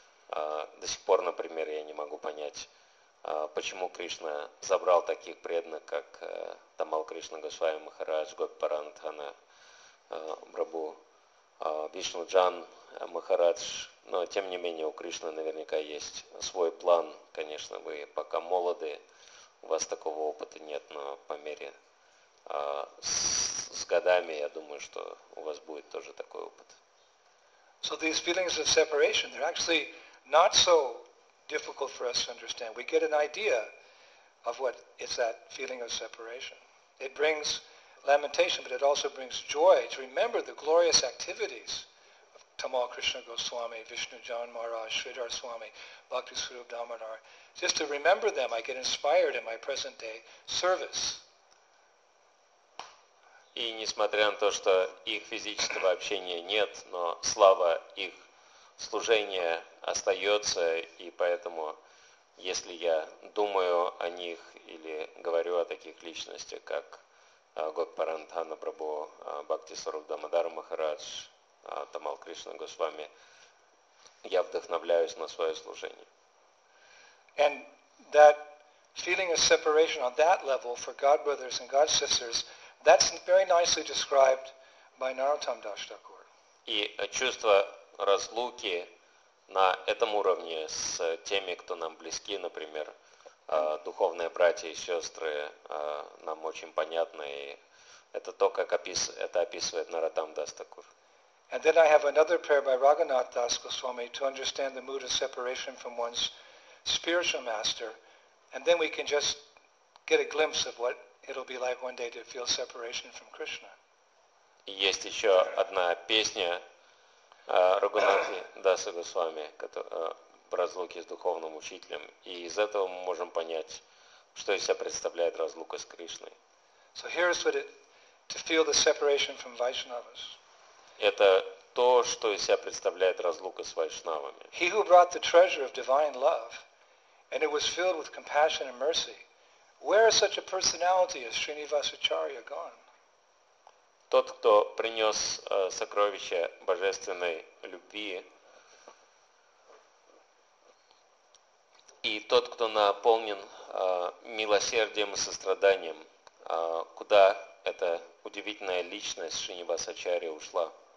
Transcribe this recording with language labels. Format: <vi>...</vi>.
<ru>До сих пор, например, я не могу понять, почему Кришна забрал таких преданных, как Тамал Кришна Госвами Махарадж, Гопи Паранадхана Брабу, Вишну Джан Махарадж. Но, тем не менее, у Кришны наверняка есть свой план. Конечно, вы пока молоды, у вас такого опыта нет, но по мере с годами, я думаю, что у вас будет тоже такой опыт.</ru> <en>So these feelings of separation, they're actually not so difficult for us to understand. We get an idea of what is that feeling of separation. It brings lamentation, but it also brings joy to remember the glorious activities of Tamal Krishna Goswami, Vishnu Jan Maharaj, Sridhar Swami, Bhakti Swarup Damodar. Just to remember them, I get inspired in my present day service.</en> <ru>И несмотря на то, что их физического общения нет, но слава их служения остается, и поэтому, если я думаю о них или говорю о таких личностях, как Гопи Паранадхана Прабху, Бхакти Сварупа Дамодара Махарадж, Тамал Кришна Госвами, я вдохновляюсь на свое служение.</ru> <en>And that feeling of separation on that level for God brothers and God sisters, that's very nicely described by Narottam Das Thakur.</en> <ru>И чувство разлуки на этом уровне с теми, кто нам близки, например, духовные братья и сестры, нам очень понятно, и это то, как это описывает Narottam Das Thakur.</ru> <en>And then I have another prayer by Raghunath Das Goswami to understand the mood of separation from one's spiritual master, and then we can just get a glimpse of what it'll be like one day to feel separation from Krishna.</en> <ru>Есть еще одна песня Рагунати Даса Госвами, в разлуке с духовным учителем, и из этого мы можем понять, что из себя представляет разлука с Кришной.</ru> <en>So here is what it to feel the separation from Vaishnavas.</en> <ru>Это то, что из себя представляет разлука с вайшнавами.</ru> <en>He who brought the treasure of divine love and it was filled with compassion and mercy, where is such a personality as Srinivasacharya gone?</en> <ru>Тот, кто принес сокровище божественной любви, и тот, кто наполнен милосердием и состраданием, куда эта удивительная личность Шринивасачарья ушла?</ru>